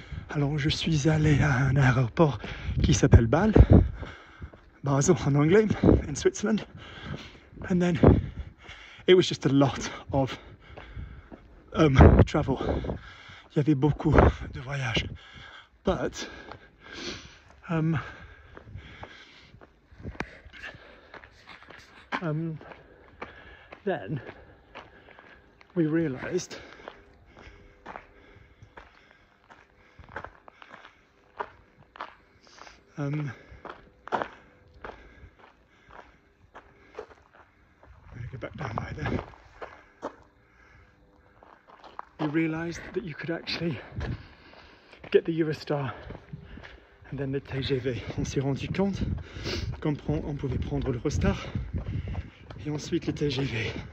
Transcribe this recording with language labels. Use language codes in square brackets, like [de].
[fr] Alors, je suis allé à un aéroport qui s'appelle Basel en anglais, [en] in Switzerland. And then, it was just a lot of travel. [fr] Il y avait beaucoup de voyages. [en] But, then, we realized I'm going to go back down by there. You realised that you could actually get the Eurostar and then the TGV. [fr] On s'est rendu compte qu'on pouvait prendre l'Eurostar et ensuite le TGV.